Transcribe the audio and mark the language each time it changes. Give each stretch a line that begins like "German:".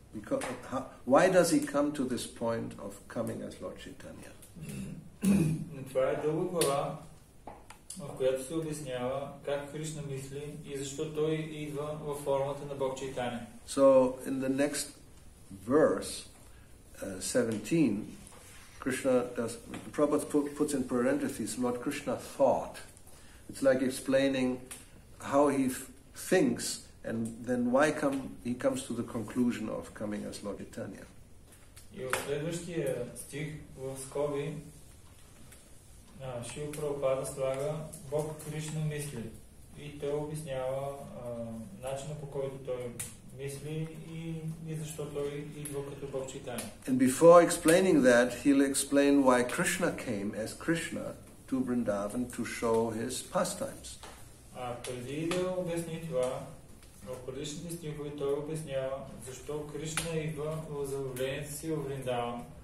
English: Because why does he come to this point of coming as Lord Chaitanya?
Bulgarian: Това е дълга глава, в която се обяснява как Кришна мисли и защо той идва в формата на Бог Чайтанья.
English: So in the next verse 17, Krishna does, Prabhupada puts in parentheses what Krishna thought. It's like explaining how he thinks and then why he comes to the conclusion of coming as Lord Chaitanya.
Bulgarian: И в следващия стих в скоби Шил Прабхупада слага Бог Кришна мисли и той обяснява начина по който той мисли и защо той идва като Бог Чайтанья.
English: And before explaining that, he'll explain why Krishna came as Krishna to Vrindavan to show his pastimes.
Bulgarian: А преди да обясни това, в предишните стихове той обяснява защо Кришна идва в забавлението си в Вриндаван.